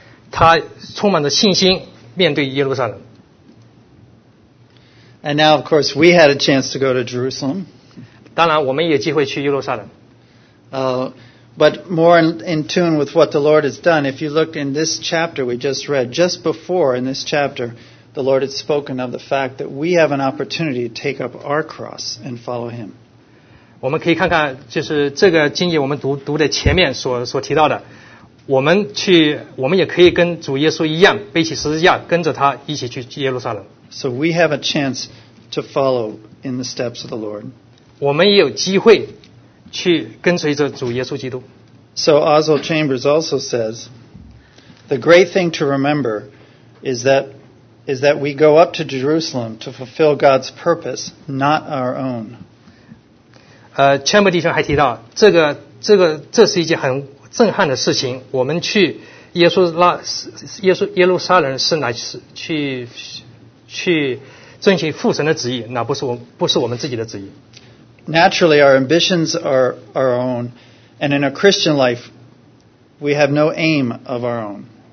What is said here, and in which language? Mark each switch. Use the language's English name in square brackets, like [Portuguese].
[Chinese] 他充满着信心面对耶路撒冷。 [English] And now, of course, we had a chance to go to Jerusalem. [Chinese] 当然我们也有机会去耶路撒冷。 [English] But more in tune with what the Lord has done, if you look in this chapter we just read, just before in this chapter, the Lord had spoken of the fact that we have an opportunity to take up our cross and follow him. [Chinese] 我们可以看看，就是这个经节，我们读的前面所提到的，我们也可以跟主耶稣一样，背起十字架，跟着他一起去耶路撒冷。 [English] So we have a chance to follow in the steps of the Lord. [Chinese] 我们也有机会去跟随着主耶稣基督。 [English] So Oswald Chambers also says, the great thing to remember is that we go up to Jerusalem to fulfill God's purpose, not our own. [Chinese] Chamber 弟兄还提到，这是一件很震撼的事情。我们去耶路撒冷是乃是去遵循父神的旨意，那不是我们自己的旨意。 [English] Naturally, our ambitions are our own, and in a Christian life, we have no aim of our own.